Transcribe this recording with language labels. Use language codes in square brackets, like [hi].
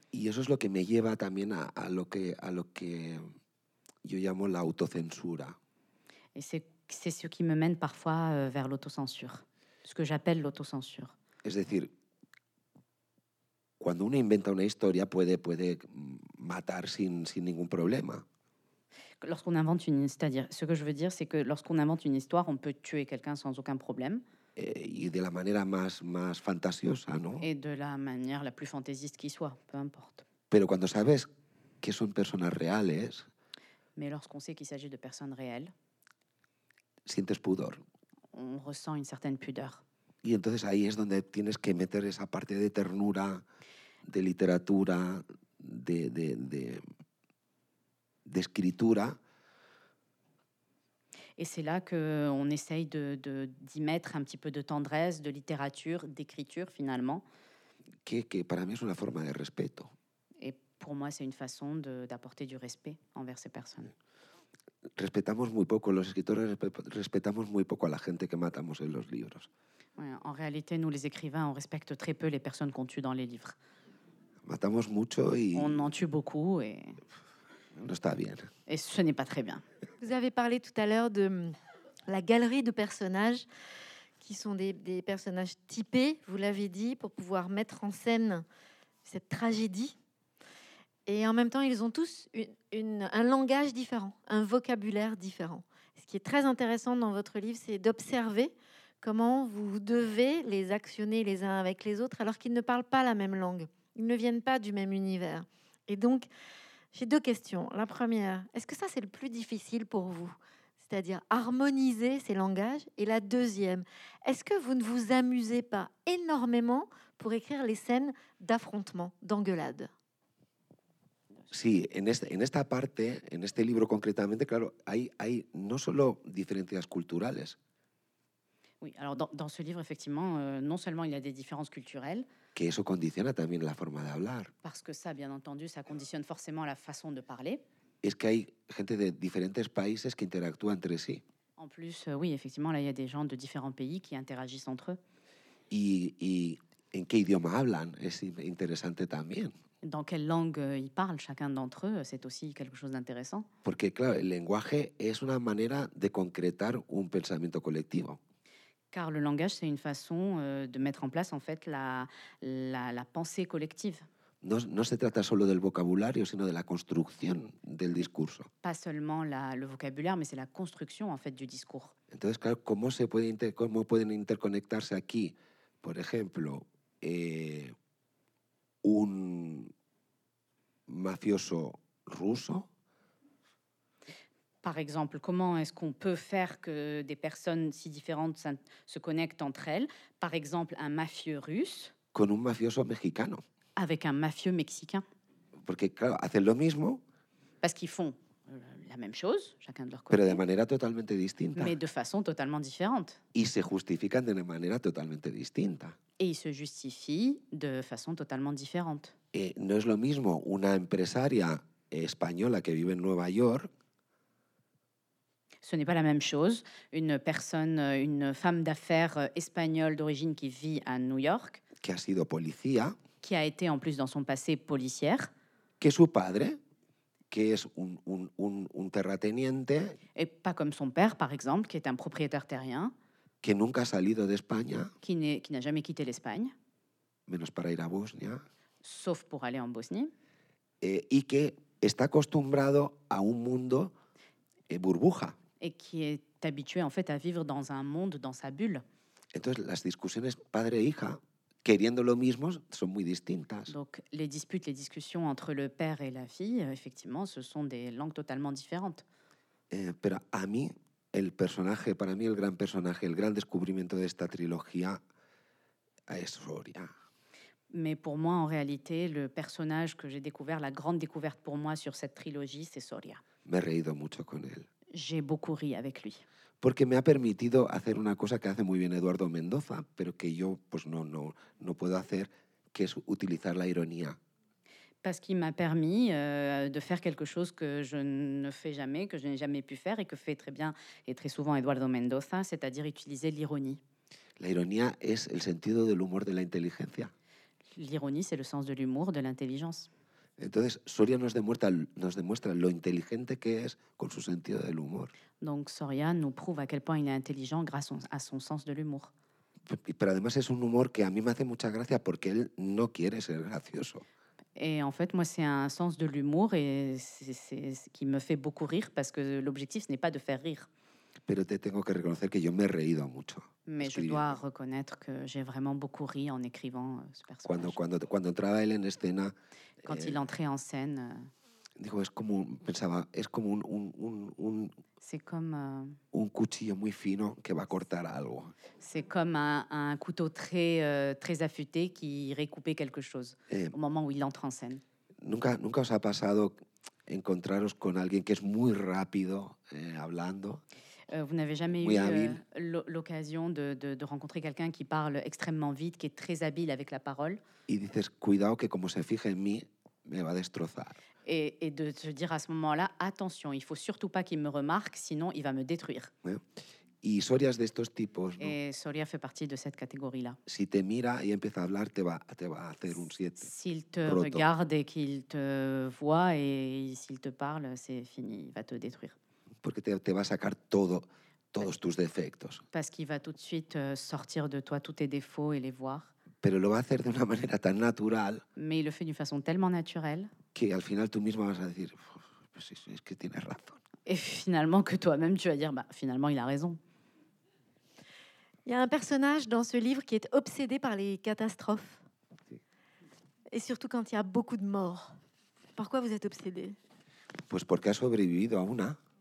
[es] Y eso es lo que me lleva también a lo que yo llamo la autocensura. [fr] Et c'est ce qui me mène parfois vers l'autocensure. Ce que j'appelle l'autocensure. [es] Es decir, cuando uno inventa una historia puede matar sin ningún problema. [fr] Lorsqu'on invente une histoire, c'est-à-dire, ce que je veux dire, c'est que lorsqu'on invente une histoire, on peut tuer quelqu'un sans aucun problème. Et de la manière [es] más fantasiosa, [fr] non? Et de la manière la plus fantaisiste qui soit, peu importe. [es] Pero cuando sabes que son personas reales. [fr] Mais lorsqu'on sait qu'il s'agit de personnes réelles. [es] Sientes pudor. [fr] On ressent une certaine pudeur. [es] Y entonces ahí es donde tienes que meter esa parte de ternura, de literatura, [fr] d'écriture. Et c'est là qu'on essaye d'y mettre un petit peu de tendresse, de littérature, d'écriture, finalement. [es] Que para mí es una forma de respeto. [fr] Et pour moi, c'est une façon d'apporter du respect envers ces personnes. [es] Respetamos muy poco, los escritores respetamos muy poco a la gente que matamos en los libros. [fr] Oui, en réalité, nous, les écrivains, on respecte très peu les personnes qu'on tue dans les livres. [es] Matamos mucho y... [fr] On en tue beaucoup et... [es] No está bien. [fr] Et ce n'est pas très bien. Vous avez parlé tout à l'heure de la galerie de personnages qui sont des personnages typés, vous l'avez dit, pour pouvoir mettre en scène cette tragédie. Et en même temps, ils ont tous un langage différent, un vocabulaire différent. Ce qui est très intéressant dans votre livre, c'est d'observer comment vous devez les actionner les uns avec les autres alors qu'ils ne parlent pas la même langue. Ils ne viennent pas du même univers. Et donc... J'ai deux questions. La première, est-ce que ça, c'est le plus difficile pour vous ? C'est-à-dire harmoniser ces langages. Et la deuxième, est-ce que vous ne vous amusez pas énormément pour écrire les scènes d'affrontement, d'engueulade ? [es] Sí, en esta parte, en este libro concrétamente, claro, hay no solo diferencias culturales. [fr] Oui, alors dans ce livre, effectivement, non seulement il y a des différences culturelles, [es] que eso condiciona también la forma de hablar. [fr] Parce que ça, bien entendu, ça conditionne forcément la façon de parler. [es] Es que hay gente de diferentes países que interactúan entre sí. [fr] En plus, oui, effectivement, là, il y a des gens de différents pays qui interagissent entre eux. [es] Y en qué idioma hablan, es interesante también. [fr] Dans quelle langue ils parlent chacun d'entre eux, c'est aussi quelque chose d'intéressant. [es] Porque claro, el lenguaje es una manera de concretar un pensamiento colectivo. [fr] Car le langage c'est une façon de mettre en place en fait la pensée collective. [es] No se trata solo del vocabulario, sino de la construcción del discurso. [fr] Pas seulement le vocabulaire, mais c'est la construction en fait du discours. [es] Entonces claro, ¿cómo se puede cómo pueden interconectarse aquí, por ejemplo, un mafioso ruso? [fr] Par exemple, comment est-ce qu'on peut faire que des personnes si différentes se connectent entre elles? Par exemple, un mafieux russe. [es] Con un mafioso mexicano. [fr] Avec un mafieux mexicain. [es] Porque, claro, hacen lo mismo. [fr] Parce qu'ils font la même chose, chacun de leur côté. [es] Pero de manera totalmente distinta. [fr] Mais de façon totalement différente. [es] Y se justifican de una manera totalmente distinta. [fr] Et ils se justifient de façon totalement différente. [es] Et no es lo mismo una empresaria española que vive en Nueva York. [fr] Ce n'est pas la même chose, une personne, une femme d'affaires espagnole d'origine qui vit à New York. [es] Que ha sido policía. [fr] Qui a été en plus dans son passé policière. [es] Que su padre, que es un terrateniente. [fr] Et pas comme son père, par exemple, qui est un propriétaire terrien. [es] Que nunca ha salido de España. [fr] Qui n'a jamais quitté l'Espagne. [es] Menos para ir a Bosnia. [fr] Sauf pour aller en Bosnie. [es] Y que está acostumbrado a un mundo burbuja. [fr] Et qui est habitué en fait à vivre dans un monde, dans sa bulle. [es] Entonces las discusiones padre-hija, queriendo lo mismo, son muy distintas. [fr] Donc les disputes, les discussions entre le père et la fille, effectivement, ce sont des langues totalement différentes. [es] Pero a mí, el personaje, para mí el gran personaje, el gran descubrimiento de esta trilogía es Soria. [fr] Mais pour moi, en réalité, le personnage que j'ai découvert, la grande découverte pour moi sur cette trilogie, c'est Soria. [es] Me he reído mucho con él. [fr] J'ai beaucoup ri avec lui. [es] Porque me ha permitido hacer una cosa que hace muy bien Eduardo Mendoza, pero que yo pues no puedo hacer, que es utilizar la ironía. [fr] Parce qu'il m'a permis de faire quelque chose que je ne fais jamais, que je n'ai jamais pu faire et que fait très bien et très souvent Eduardo Mendoza, c'est-à-dire utiliser l'ironie. [es] La ironía es el sentido del humor de la inteligencia. [fr] L'ironie c'est le sens de l'humour, de l'intelligence. [es] Entonces, Soria nos demuestra lo inteligente que es con su sentido del humor. [fr] Donc Soria nous prouve à quel point il est intelligent grâce à son sens de l'humour. [es] Pero además es un humor que a mí me hace mucha gracia porque él no quiere ser gracioso. [fr] Et en fait, moi c'est un sens de l'humour et c'est ce qui me fait beaucoup rire parce que l'objectif ce n'est pas de faire rire. [es] Pero te tengo que reconocer que yo me he reído mucho. [fr] Mais je dois reconnaître que j'ai vraiment beaucoup ri en écrivant ce personnage. [es] Cuando entraba él en escena, [fr] quand il entrait en scène, [es] dijo, es como un [fr] c'est comme [es] un cuchillo muy fino que va a cortar algo. [fr] C'est comme un couteau très affûté qui irait couper quelque chose au moment où il entre en scène. [es] Nunca os ha pasado encontraros con alguien que es muy rápido hablando. [fr] Vous n'avez jamais eu l'occasion de rencontrer quelqu'un qui parle extrêmement vite, qui est très habile avec la parole. [es] Y dices, cuidado que como se fije en mí, me va a destrozar. [fr] Et de se dire à ce moment-là, attention, il ne faut surtout pas qu'il me remarque, sinon il va me détruire. [es] Y Soria es de estos tipos, ¿no? [fr] Et Soria fait partie de cette catégorie-là. [es] Si te mira y empieza a hablar, te va a hacer un 7. [fr] S'il te regarde et qu'il te voit et s'il te parle, c'est fini, il va te détruire. [es] Porque te va a sacar todos tus defectos. [fr] Parce qu'il va tout de suite sortir de toi tous tes défauts et les voir. [es] Pero lo va a hacer de una manera tan natural. [fr] Mais il le fait d'une façon tellement naturelle. [es] Que al final tú misma vas a decir, pues sí, es que tienes razón. [fr] Et finalement que toi-même tu vas dire, bah finalement il a raison. Il y a un personnage dans ce livre qui est obsédé par les catastrophes. Et surtout quand il y a beaucoup de morts. Pourquoi vous êtes obsédé? [es] Pues porque ha sobrevivido a una.